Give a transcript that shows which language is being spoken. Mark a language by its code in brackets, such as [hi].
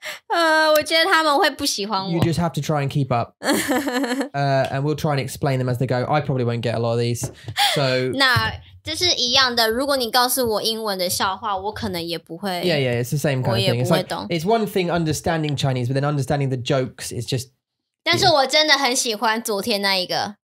[zh] 我觉得他们会不喜欢我。 [en] You just have to try and keep up. And we'll try and explain them as they go. I probably won't get a lot of these. So [zh] 那这是一样的，如果你告诉我英文的笑话，我可能也不会。 [en] Yeah, yeah, it's the same kind of thing. It's one thing understanding Chinese, but then understanding the jokes is just... [zh] 但是我真的很喜欢昨天那一个。